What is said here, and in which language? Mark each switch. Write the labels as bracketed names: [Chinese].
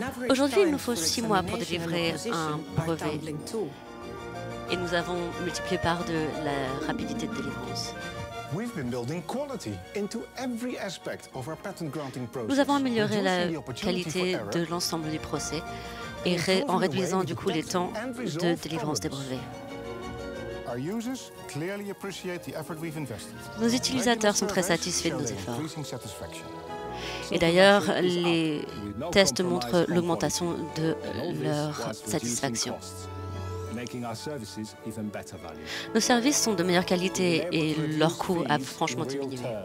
[French] Aujourd'hui, il nous faut 6 mois pour délivrer un brevet. Et nous avons multiplié par 2 la rapidité de délivrance. [English] We've been building quality into every aspect of our patent granting process. [French] Nous avons amélioré la qualité de l'ensemble du procès et en réduisant du coup les temps de délivrance des brevets. [English] Our users clearly appreciate the effort we've invested. [French] Nos utilisateurs sont très satisfaits de nos efforts. Et d'ailleurs, les tests montrent l'augmentation de leur satisfaction. Nos services sont de meilleure qualité et leur coût a franchement diminué.